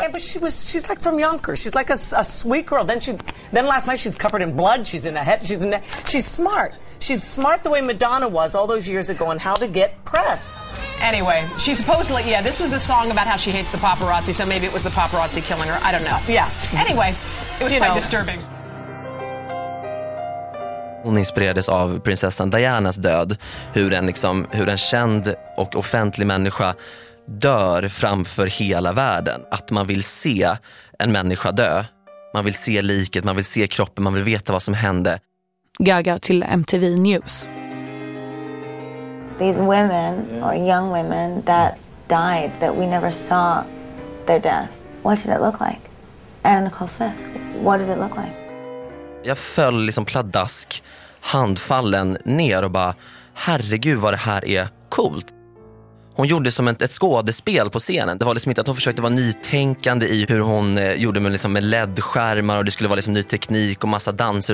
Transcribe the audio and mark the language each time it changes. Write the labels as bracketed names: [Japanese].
[English] Yeah, but she's like from Yonkers. She's like a sweet girl. Then last night she's covered in blood. She's in a head. She's smart. She's smart the way Madonna was all those years ago on how to get press. Anyway, she supposedly, yeah, this was the song about how she hates the paparazzi, so maybe it was the paparazzi killing her. I don't know. Yeah. Anyway, it was quite disturbing. [Swedish] Hon inspirerades av prinsessan Dianas död, hur en, liksom, hur en känd och offentlig människa dör framför hela världen. Att man vill se en människa dö. Man vill se liket, man vill se kroppen, man vill veta vad som hände. Gaga till MTV News. [English] These women, or young women, that died, that we never saw their death. What did it look like? Anna Nicole Smith, what did it look like? [Swedish] Jag föll liksom pladdask handfallen ner och bara, herregud vad det här är coolt. Hon gjorde som ett skådespel på scenen. Det var liksom inte att hon försökte vara nytänkande i hur hon gjorde med, liksom, med LED-skärmar och det skulle vara liksom ny teknik och massa danser.